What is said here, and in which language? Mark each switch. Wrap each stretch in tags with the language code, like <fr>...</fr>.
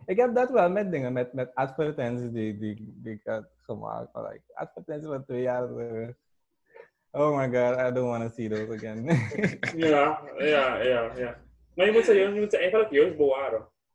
<nl>Ik heb dat wel met dingen, met advertenties die ik had gemaakt. Maar like, advertenties van 2 jaar.</nl> <en>Oh my god, I don't want to see those again.</en> <nl>Ja. Maar je moet ze eigenlijk juist bewaren.</nl>